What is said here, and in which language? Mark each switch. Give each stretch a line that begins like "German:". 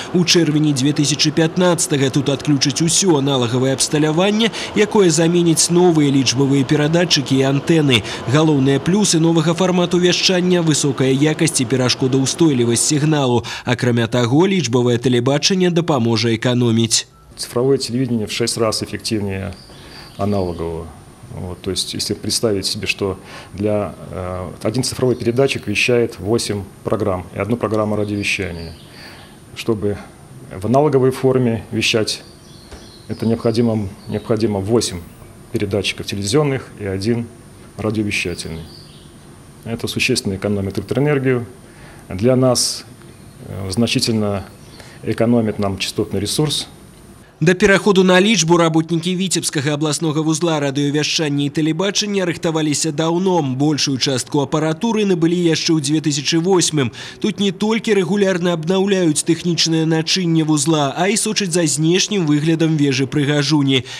Belarusian: У чэрвені 2015-га тут адключыць усё аналагавае абсталяванне, якое заменіць новыя лічбавыя перадатчыкі і антэны. Галоўныя плюсы новага фармату вяшчання – высокая якасць і перашкодаўстойлівасць сігналу. Акрамя таго, лічбавае тэлебачанне дапаможа эканоміць.
Russian: Цифровое телевидение в 6 раз эффективнее аналогового. Вот, то есть, если представить себе, что для один цифровой передатчик вещает 8 программ и одну программу радиовещания, чтобы в аналоговой форме вещать, это необходимо 8 передатчиков телевизионных и один радиовещательный. Это существенно экономит электроэнергию. Для нас значительно экономит нам частотный ресурс.
Belarusian: Да пераходу на лічбу работнікі Віцебскага абласнога вузла радыёвяшчання і тэлебачання рыхтаваліся даўно. Большую частку апаратуры набылі яшчэ ў 2008-м. Тут не толькі рэгулярна абнаўляюць тэхнічнае начынне вузла, а і сочаць за знешнім выглядам вежы-прыгажуні.